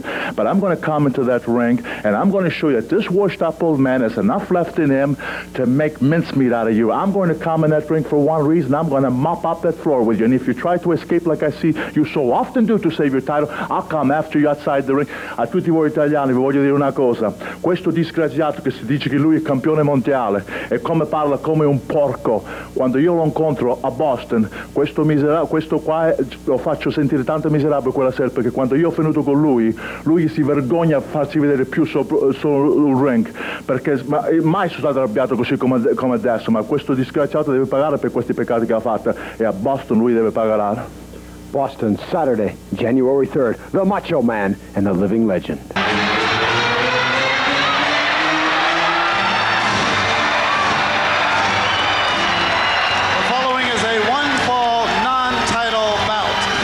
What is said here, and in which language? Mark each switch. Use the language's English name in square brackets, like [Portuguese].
[English] But I'm going to come into that ring, and I'm going to show you that this washed up old man has enough left in him to make mincemeat out of you. I'm going to come in that ring for one reason. I'm going to mop up that floor with you. And if you try to escape like I see you so often do to save your title, I'll come after you outside the ring. [Italian] A tutti voi italiani, vi voglio dire una cosa. Questo disgraziato che si dice che lui è campione mondiale e come parla come un porco, quando io lo incontro a Boston, questo qua lo faccio sentire tanto miserabile quella sera, perché quando io ho finito con lui, lui si vergogna a farsi vedere più sul ring, perché mai sono stato arrabbiato così come adesso, ma questo disgraziato deve pagare per questi peccati che ha fatto, e a Boston lui deve pagare. [English] Boston, Saturday, January 3rd, the Macho Man and the Living Legend. The following is a one-fall non-title bout.